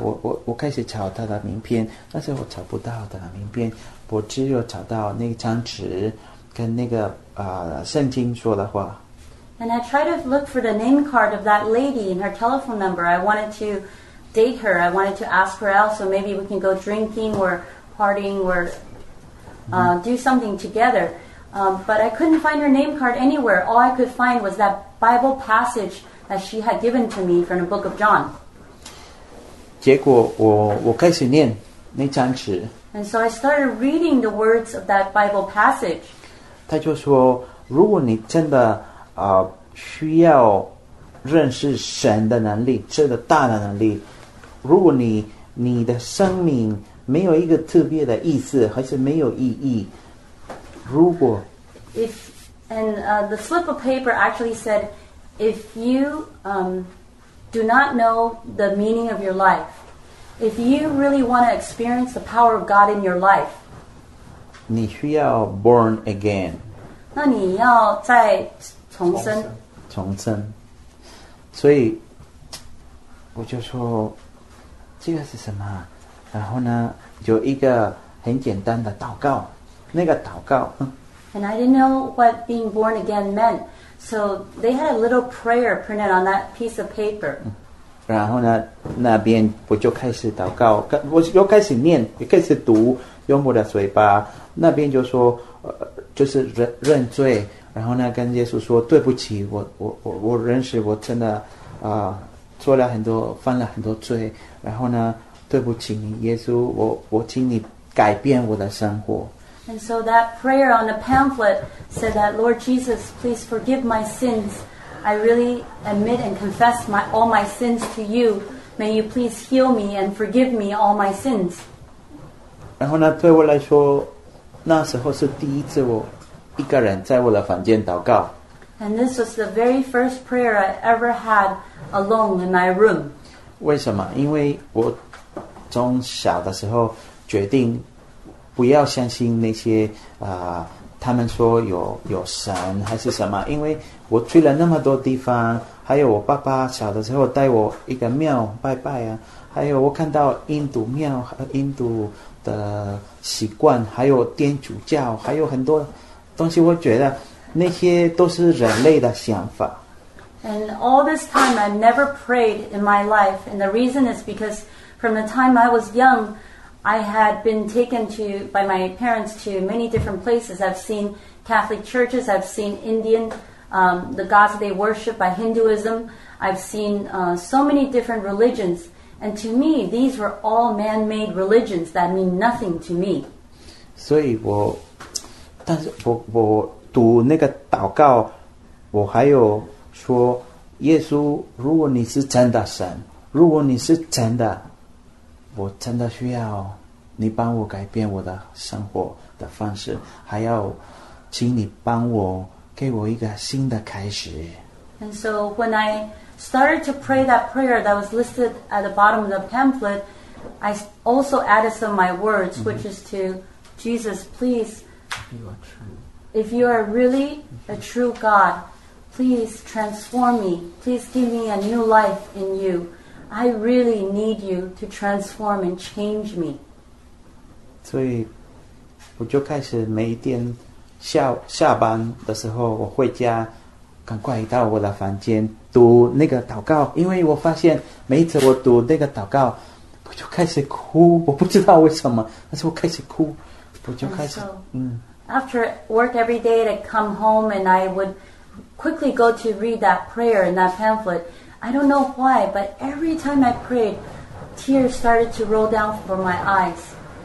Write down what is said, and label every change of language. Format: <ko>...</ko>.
<zh>我开始找她的名片，但是我找不到她的名片。我只有找到那张纸跟那个圣经说的话。</zh> <en>And I tried to look for the name card of that lady and her telephone number. I wanted to date her. I wanted to ask her out so maybe we can go drinking or partying or do something together. But I couldn't find her name card anywhere. All I could find was that Bible passage that she had given to me from the book of John.</en> <zh>结果我开始念那张纸。</zh> <en>And so I started reading the words of that Bible passage.</en> <zh>他就说，如果你真的需要认识神的能力，这个大的能力，如果你的生命没有一个特别的意思，还是没有意义，如果</zh> <en>the slip of paper actually said, if you do not know the meaning of your life. If you really want to experience the power of God in your life,</en> <zh>你需要</zh> <en>born again.</en> <zh>那你要再重生。重生。所以我就说这个是什么？然后呢，有一个很简单的祷告。那个祷告。</zh> <en>And I didn't know what being born again meant, so they had a little prayer printed on that piece of paper.</en> <zh>然后呢，那边我就开始祷告，我又开始念，又开始读，用我的嘴巴。那边就说，就是认罪，然后呢，跟耶稣说对不起，我认识，我真的做了很多，犯了很多罪，然后呢，对不起你，耶稣，我请你改变我的生活。</zh> <en>And so that prayer on the pamphlet said that Lord Jesus, please forgive my sins. I really admit and confess all my sins to you. May you please heal me and forgive me all my sins.</en> <zh>然后呢，对我来说，那时候是第一次我一个人在我的房间祷告。</zh> <en>And this was the very first prayer I ever had alone in my room.</en> <zh>为什么？因为我从小的时候决定不要相信那些他们说有神还是什么，因为我去了那么多地方，还有我爸爸小的时候带我一个庙拜拜啊，还有我看到印度庙和印度的习惯，还有天主教，还有很多东西，我觉得那些都是人类的想法。</zh> <en>And all this time I've never prayed in my life, and the reason is because from the time I was young,I had been taken by my parents to many different places. I've seen Catholic churches. I've seen Indian, the gods they worship by Hinduism. I've seen so many different religions. And to me, these were all man-made religions that mean nothing to me.</en> <zh>所以我，但是我读那个祷告，我还有说，耶稣，如果你是真的神，如果你是真的。我真的需要你帮我改变我的生活的方式，还要请你帮我给我一个新的开始。</zh> <en>And so when I started to pray that prayer that was listed at the bottom of the pamphlet, I also added some of my words, mm-hmm. which is to Jesus, please, if you are really a true God, please transform me. Please give me a new life in you. I really need you to transform and change me.</en> <zh>所以我就开始每一天下班的时候，我回家，赶快到我的房间读那个祷告，因为我发现每一次我读那个祷告，我就开始哭，我不知道为什么，但是我开始哭，我就开始。After</zh> <en>work every day, I'd come home and I would quickly go to read that prayer in that pamphlet. I don't know why, but every time I prayed, tears started to roll down from my eyes.</en>